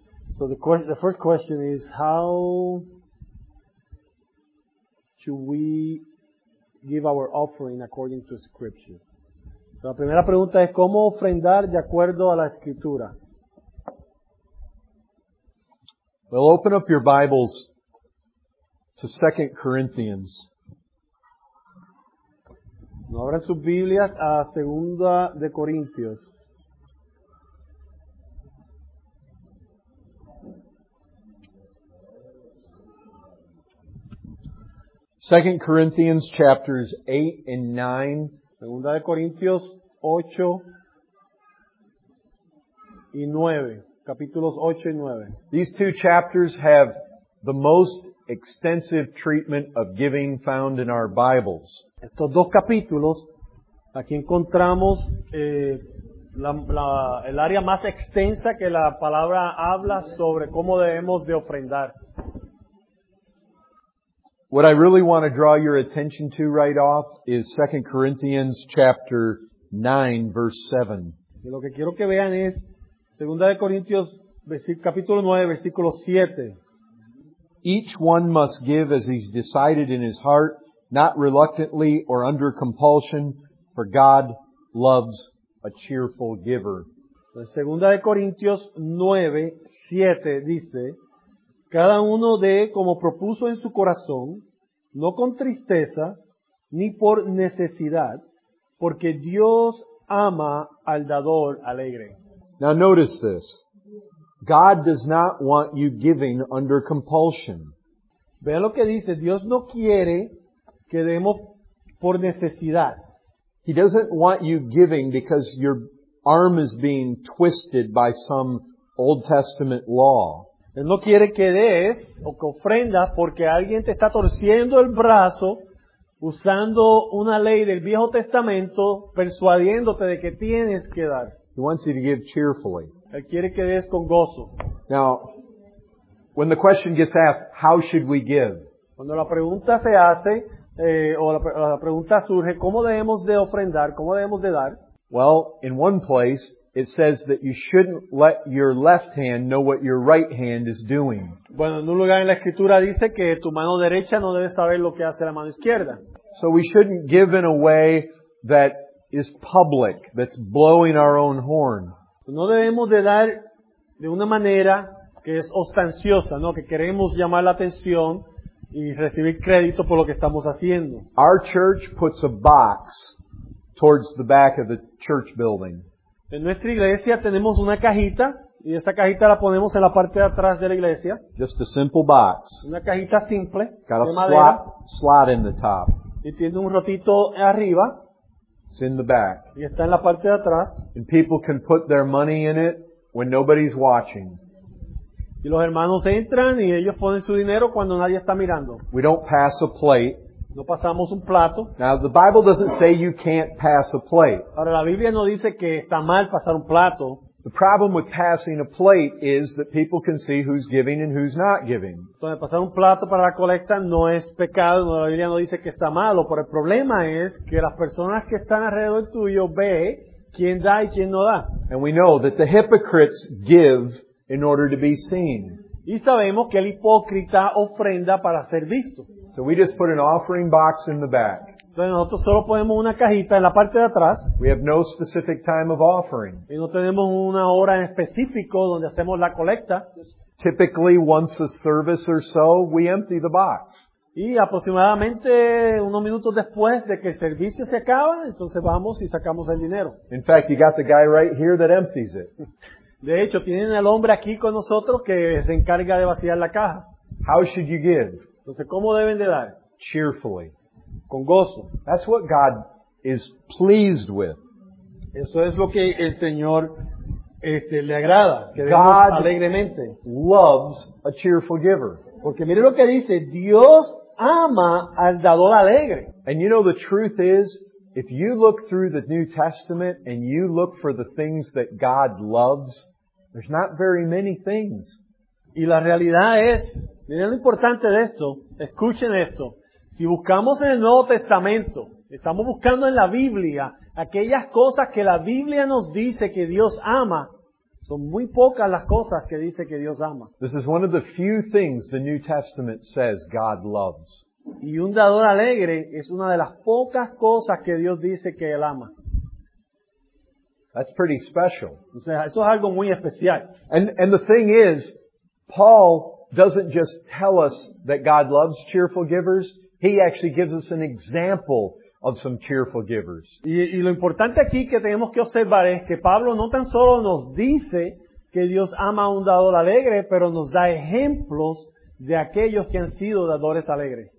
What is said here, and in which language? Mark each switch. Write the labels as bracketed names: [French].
[English] So the first question is, how should we give our offering according to Scripture? [Spanish] So la primera pregunta es, ¿cómo ofrendar de acuerdo a la Escritura? [English] Well, open up your Bibles to 2 Corinthians. [Spanish] No abran sus Biblias a 2 de Corintios. [English] Second Corinthians chapters 8 and 9. [Spanish] Segunda de Corintios 8 y 9. Capítulos 8 y 9. [English] These two chapters have the most extensive treatment of giving found in our Bibles. [Spanish] Estos dos capítulos, aquí encontramos el área más extensa que la palabra habla sobre cómo debemos de ofrendar. [English] What I really want to draw your attention to right off is 2 Corinthians chapter 9, verse 7. [Spanish] Y lo que quiero que vean es 2 Corintios capítulo 9, versículo 7. [English] Each one must give as he's decided in his heart, not reluctantly or under compulsion, for God loves a cheerful giver. [Spanish] 2 Corintios 9, 7 dice, cada uno dé como propuso en su corazón, no con tristeza ni por necesidad, porque Dios ama al dador alegre. [English] Now notice this. God does not want you giving under compulsion. [Spanish] Vean lo que dice. Dios no quiere que demos por necesidad. [English] He doesn't want you giving because your arm is being twisted by some Old Testament law. [Spanish] Él no quiere que des o que ofrendas porque alguien te está torciendo el brazo usando una ley del Viejo Testamento persuadiéndote de que tienes que dar. [English] He wants you to give cheerfully. [Spanish] Él quiere que des con gozo. [English] Now, when the question gets asked, how should we give? [Spanish] Cuando la pregunta se hace la pregunta surge, ¿cómo debemos de ofrendar? ¿Cómo debemos de dar? [English] Well, in one place, it says that you shouldn't let your left hand know what your right hand is doing. [Spanish] Bueno, en un lugar en la escritura dice que tu mano derecha no debe saber lo que hace la mano izquierda. [English] So we shouldn't give in a way that is public, that's blowing our own horn. [Spanish] No debemos de dar de una manera que es ostensiosa, ¿no? Que queremos llamar la atención y recibir crédito por lo que estamos haciendo. [English] Our church puts a box towards the back of the church building. [Spanish] En nuestra iglesia tenemos una cajita y esa cajita la ponemos en la parte de atrás de la iglesia. [English] Just a simple box. [Spanish] Una cajita simple. [English] Got [Spanish] de a madera. [English] Slot in the top. [Spanish] Y tiene un rotito arriba. [English] It's in the back. [Spanish] Y está en la parte de atrás. [English] And people can put their money in it when nobody's watching. [Spanish] Y los hermanos entran y ellos ponen su dinero cuando nadie está mirando. [English] We don't pass a plate. [Spanish] No pasamos un plato. [English] Now the Bible doesn't say you can't pass a plate. [Spanish] Ahora la Biblia no dice que está mal pasar un plato. [English] The problem with passing a plate is that people can see who's giving and who's not giving. [Spanish] Entonces pasar un plato para la colecta no es pecado. No, la Biblia no dice que está malo. Pero el problema es que las personas que están alrededor tuyo ve quién da y quién no da. [English] And we know that the hypocrites give in order to be seen. [Spanish] Y sabemos que el hipócrita ofrenda para ser visto. [English] So we just put an offering box in the back. [Spanish] Entonces nosotros solo ponemos una cajita en la parte de atrás. [English] We have no specific time of offering. [Spanish] Y no tenemos una hora en específico donde hacemos la colecta. [English] Typically once a service or so, we empty the box. [Spanish] Y aproximadamente unos minutos después de que el servicio se acaba, entonces vamos y sacamos el dinero. [English] In fact, you got the guy right here that empties it. [Spanish] De hecho, tienen al hombre aquí con nosotros que se encarga de vaciar la caja. [English] How should you give? [Spanish] Entonces, ¿cómo deben de dar? [English] Cheerfully. [Spanish] Con gozo. [English] That's what God is pleased with. [Spanish] Eso es lo que el Señor le agrada. Que [English] God [Spanish] alegremente. [English] Loves a cheerful giver. [Spanish] Porque mire lo que dice, Dios ama al dador alegre. [English] And you know, the truth is, if you look through the New Testament and you look for the things that God loves, there's not very many things. [Spanish] Y la realidad es, miren lo importante de esto, escuchen esto. Si buscamos en el Nuevo Testamento, estamos buscando en la Biblia aquellas cosas que la Biblia nos dice que Dios ama, Son muy pocas las cosas que dice que Dios ama. [English] This is one of the few things the New Testament says God loves. [Spanish] Y un dador alegre es una de las pocas cosas que Dios dice que Él ama. [English] That's pretty special. [Spanish] O sea, eso es algo muy especial. [English] And the thing is, Paul doesn't just tell us that God loves cheerful givers. He actually gives us an example of some cheerful givers. [Spanish] Y lo importante aquí que tenemos que observar es que Pablo no tan solo nos dice que Dios ama a un dador alegre, pero nos da ejemplos de aquellos que han sido dadores alegres.